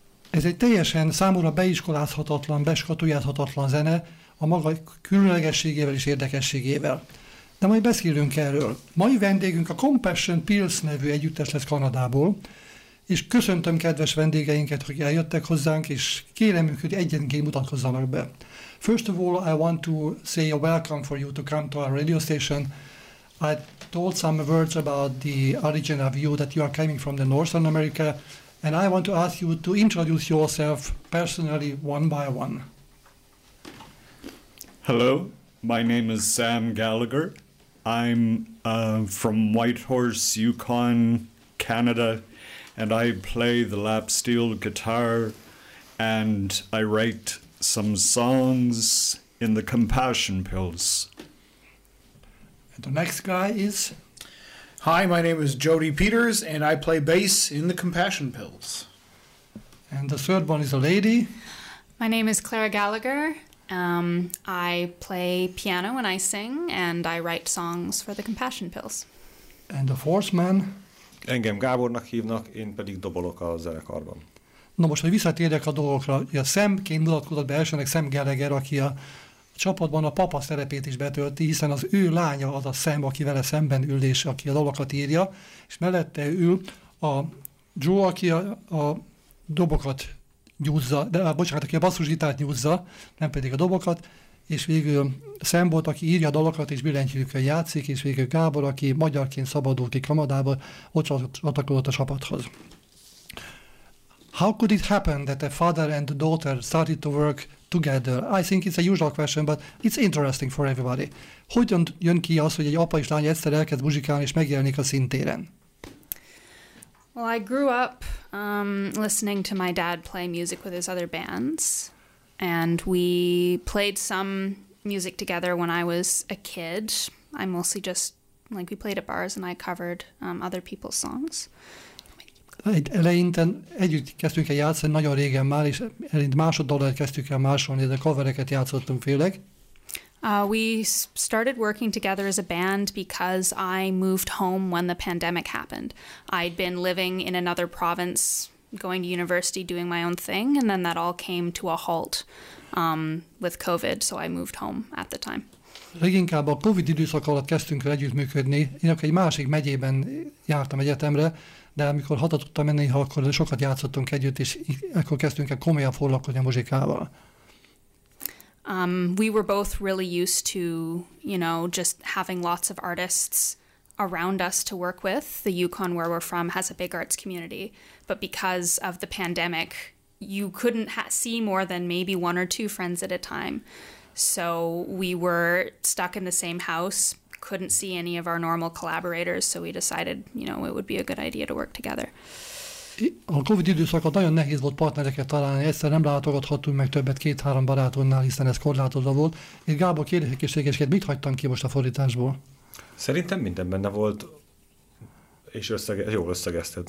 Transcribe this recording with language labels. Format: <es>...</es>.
<hu>Ez egy teljesen számomra beiskolázhatatlan, beskatujázhatatlan zene, a maga különlegességével és érdekességével. De majd beszélünk erről. Mai vendégünk a Compassion Pills nevű együttes lesz Kanadából, és köszöntöm kedves vendégeinket, hogy eljöttek hozzánk, és kérem őket, hogy egyenként mutatkozzanak be.</hu> <en>First of all, I want to say a welcome for you to come to our radio station. I told some words about the origin of you, that you are coming from the Northern America, and I want to ask you to introduce yourself personally one by one. Hello. My name is Sam Gallagher. I'm from Whitehorse, Yukon, Canada, and I play the lap steel guitar, and I write some songs in the Compassion Pills. And the next guy is? Hi, my name is Jody Peters, and I play bass in the Compassion Pills. And the third one is a lady. My name is Clara Gallagher. I play piano when I sing, and I write songs for the Compassion Pills. And the fourth man?</en> <hu>Engem Gábornak hívnak, én pedig dobolok a zenekarban. Na most, hogy visszatérjek a dolgokra, a Samként mutatkozott be elsőnek Sam Gallagher, aki a csapatban a papa szerepét is betölti, hiszen az ő lánya az a Sam, aki vele szemben ül, és aki a dalokat írja, és mellette ül a Joe, aki a dobokat nyúzza, de bocsánat, aki a basszusgitárt nyúzza, nem pedig a dobokat, és végül Sam volt, aki írja a dalokat, és billentyűkkel játszik, és végül Gábor, aki magyarként szabadul ki Kanadába, ott csatlakozott a csapathoz.</hu> <en>How could it happen that a father and a daughter started to work together? I think it's a usual question, but it's interesting for everybody.</en> <hu>Hogyan jön ki az, hogy egy apa és lány egyszer elkezd muzsikálni, és megjelenik a színtéren?</hu> <en>Well, I grew up listening to my dad play music with his other bands, and we played some music together when I was a kid. I mostly just, like, we played at bars and I covered other people's songs.</en> <hu>Eleinte együtt kezdtünk el játszani, nagyon régen már, és eleinte másoddalat kezdtük el másolni, de covereket játszottunk félleg.</hu> <en>We started working together as a band because I moved home when the pandemic happened. I'd been living in another province, going to university, doing my own thing, and then that all came to a halt with COVID, so I moved home at the time.</en> <hu>Leginkább a COVID időszak alatt kezdtünk el együttműködni. Én akkor egy másik megyében jártam egyetemre, de amikor haza tudtam menni, akkor sokat játszottunk együtt, és akkor kezdtünk el komolyan foglalkozni a muzsikával.</hu> <en>We were both really used to, you know, just having lots of artists around us to work with. The Yukon, where we're from, has a big arts community. But because of the pandemic, you couldn't see more than maybe one or two friends at a time. So we were stuck in the same house, couldn't see any of our normal collaborators. So we decided, you know, it would be a good idea to work together.</en> <hu>A COVID időszakban nagyon nehéz volt partnereket találni, egyszer nem látogathattunk meg többet két-három barátonnál, hiszen ez korlátozva volt. Én Gábor kérdéseket, mit hagytam ki most a fordításból? Szerintem minden benne volt, és jól összegezted.</hu>